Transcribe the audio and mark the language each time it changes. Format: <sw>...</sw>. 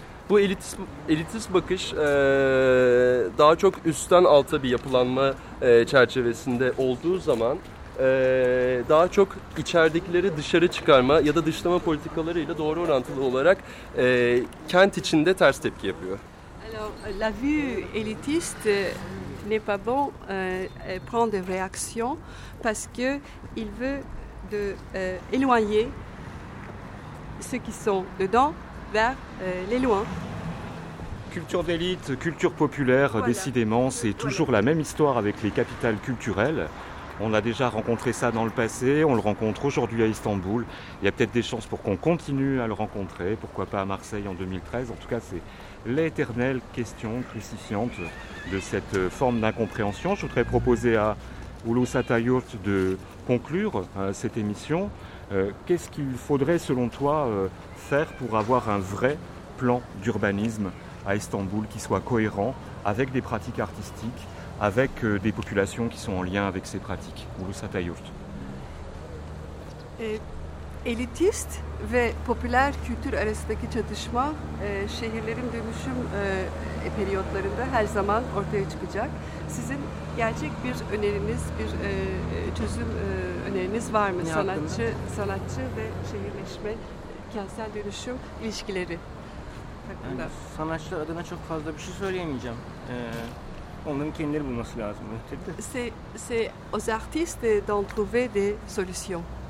<tr>Bu elitist bakış daha çok üstten alta bir yapılanma çerçevesinde olduğu zaman daha çok içerdikleri dışarı çıkarma ya da dışlama politikalarıyla doğru orantılı olarak kent içinde ters tepki yapıyor.</tr> <fr>La vue élitiste n'est pas bon prendre des réactions parce que il veut de éloigner ceux qui sont dedans vers les loin. Culture d'élite, culture populaire, voilà. Décidément, c'est toujours la même histoire avec les capitales culturelles. On a déjà rencontré ça dans le passé, on le rencontre aujourd'hui à Istanbul. Il y a peut-être des chances pour qu'on continue à le rencontrer, pourquoi pas à Marseille en 2013. En tout cas, c'est l'éternelle question crucifiante de cette forme d'incompréhension. Je voudrais proposer à Ulus Atayurt de conclure cette émission. Qu'est-ce qu'il faudrait, selon toi, faire pour avoir un vrai plan d'urbanisme à Istanbul qui soit cohérent avec des pratiques artistiques, avec des populations qui sont en lien avec ces pratiques? Ulus Atayurt.</fr> <tr>Elitist ve popüler kültür arasındaki çatışma şehirlerin dönüşüm periyotlarında her zaman ortaya çıkacak. Sizin gerçek bir öneriniz, bir çözüm öneriniz var mı? Sanatçı ve şehirleşme, kentsel dönüşüm ilişkileri hakkında. Yani sanatçılar adına çok fazla bir şey söyleyemeyeceğim. Onların kendileri bulması lazım.</tr> <fr>C'est aux artistes d'en trouver des solutions.</fr>